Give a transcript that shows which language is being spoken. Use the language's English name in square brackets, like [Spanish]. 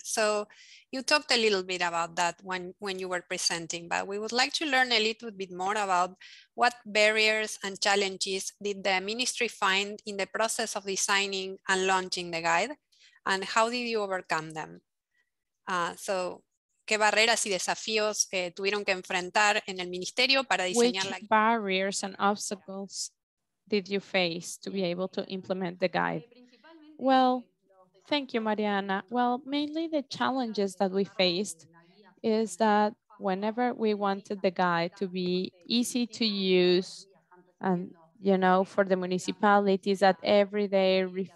[English] So you talked a little bit about that when you were presenting, but we would like to learn a little bit more about what barriers and challenges did the ministry find in the process of designing and launching the guide, and how did you overcome them? [Spanish] So, ¿qué barreras y desafíos tuvieron que enfrentar en el ministerio para diseñar la guía? [English] Which barriers and obstacles did you face to be able to implement the guide? Well, thank you, Mariana. Well, mainly the challenges that we faced is that whenever we wanted the guide to be easy to use, and you know, for the municipalities that every day